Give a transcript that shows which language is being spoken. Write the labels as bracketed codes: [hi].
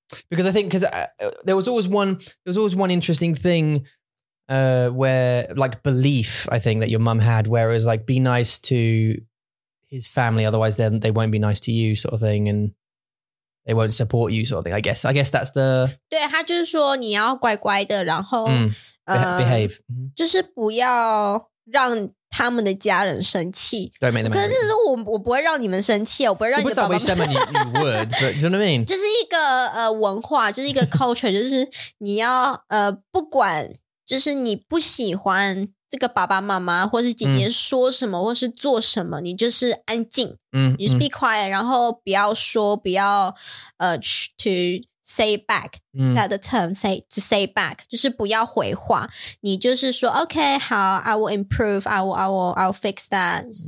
[en] Because I think, there was always one interesting thing where like belief, I think that your mum had, where it was like, be nice to his family. Otherwise then they won't be nice to you sort of thing. And they won't support you sort of thing, I guess. I guess that's the... [zh] 对,他就是说你要乖乖的,然后... [en] Behave. [zh] 就是不要让他们的家人生气. [en] Don't make them angry. [zh] 可是我不会让你们生气,我不会让你们爸爸妈妈... [en] You would, but do you know what I mean? [zh] 就是一个文化,就是一个culture, 就是你要不管就是你不喜欢这个爸爸妈妈或是姐姐说什么或是做什么, 你就是安静, [en] you just be quiet, [zh] 然后不要说,不要 [en] to say back, is that the term, to say back, [zh] 就是不要回话, 你就是说, okay, 好, [en] I will improve, I will fix that,